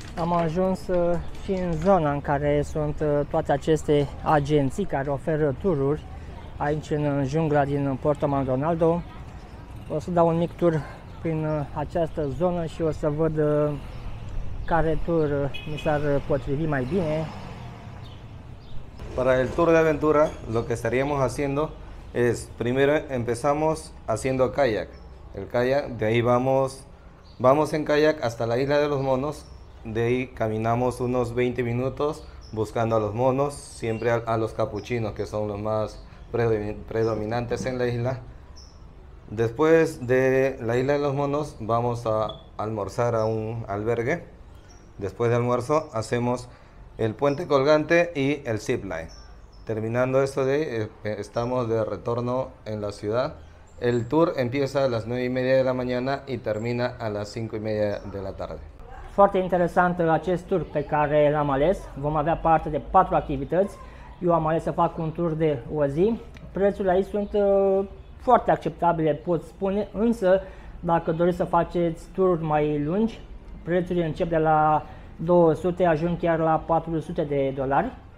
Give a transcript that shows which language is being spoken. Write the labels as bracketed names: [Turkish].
[Romanian] Am ajuns și în zona în care sunt toate aceste agenții care oferă tururi aici în jungla din Puerto Maldonado. O să dau un mic tur prin această zonă și o să văd care tur mi s-ar potrivi mai bine. [Spanish] Para el tour de aventura, lo que estaríamos haciendo es primero empezamos haciendo kayak. El kayak, de ahí vamos en kayak hasta la Isla de los Monos. De ahí caminamos unos 20 minutos buscando a los monos, siempre a los capuchinos, que son los más predominantes en la isla. Después de la Isla de los Monos vamos a almorzar a un albergue. Después de almuerzo hacemos el puente colgante y el zipline. Terminando esto de ahí, estamos de retorno en la ciudad. El tour empieza a las 9 y media de la mañana y termina a las 5 y media de la tarde. [Romanian] Foarte interesant acest tur pe care l-am ales. Vom avea parte de 4 activități. Eu am ales să fac un tur de o zi. Prețurile aici sunt foarte acceptabile, pot spune, însă dacă doriți să faceți tururi mai lungi, prețurile încep de la 200, ajung chiar la 400 de dolari.